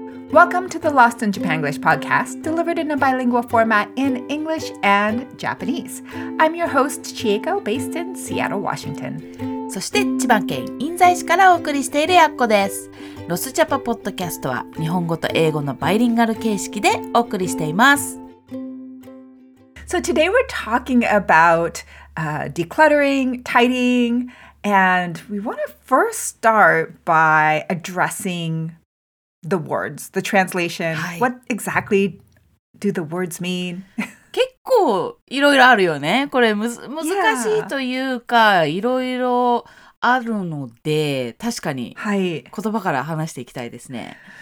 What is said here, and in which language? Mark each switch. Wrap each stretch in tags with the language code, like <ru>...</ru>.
<en>Welcome to the Lost in Japan English podcast, delivered in a bilingual format in English and Japanese. I'm your host, Chieko, based in Seattle, Washington.</en> <ja>そして千葉県印西市からお送りしているやっこです。ロスジャパポッドキャストは日本語と英語のバイリンガル形式でお送りしています。</ja> <en>So today we're talking about decluttering, tidying, and we want to first start by addressing the words, the translation.</en> <ja>はい、</ja> <en>What exactly do the words mean?</en> <ja>結構いろいろあるよね。これ難しいというか、</ja> <en>yeah.</en> <ja>いろいろあるので、確かに言葉から話していきたいですね。</ja>